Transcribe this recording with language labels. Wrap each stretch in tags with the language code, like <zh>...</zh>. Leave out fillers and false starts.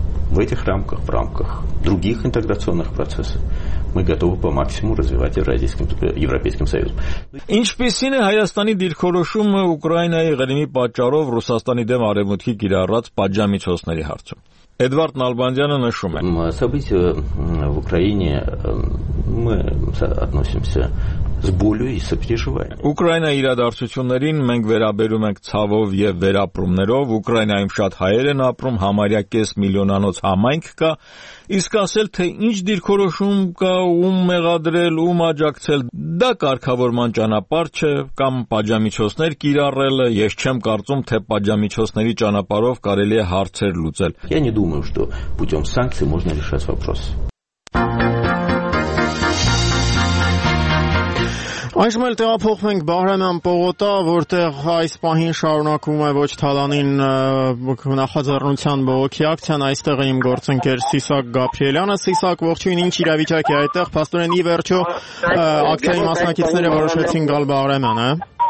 <ru>В этих рамках, в рамках других интеграционных процессов мы готовы по максимуму развивать Евразийским Союзом.</ru> <hy>Ինչպիսին է Հայաստանի դիրքորոշումը Ուկրաինայի ղրիմի պատճառով Ռուսաստանի դեմ արևմուտքի կիրառած պատժամիջոցների հարցում։ Էդվարդ Նալբանդյանը նշում է.</hy> <ru>События в Украине мы относимся с болью и сопереживанием.</ru> <hy>Ուկրաինա իրադարձություններին մենք վերաբերում ենք ցավով եւ վերապրումներով։ Ուկրաինայում շատ հայեր են ապրում, համարյա 500,000 համայնք կա, իսկ ասել թե ինչ դիրքորոշում կա ու մեղադրել ու աջակցել, դա կարգավորման ճանապարհ չէ կամ պատժամիջոցներ կիրառելը, ես չեմ կարծում, թե պատժամիջոցների ճանապարհով կարելի է հարցեր լուծել։</hy> <ru>Думаю, что путем санкций можно решать вопрос.</ru> <hy>Այժմ էլ տեղափոխվենք Բահրամյան պողոտա, որտեղ այս պահին շարունակվում է ոչ թալանին նախաձեռնության բողոքի ակցիան, այստեղ իմ գործընկեր Սիսակ Գաբրիելյանը։ Սիսակ, ողջույն, ինչ իրավիճակ է այդտեղ, փաստորեն ի վերջո ակցիայի մասնակիցները որոշեցին գալ Բահրամյանը։</hy>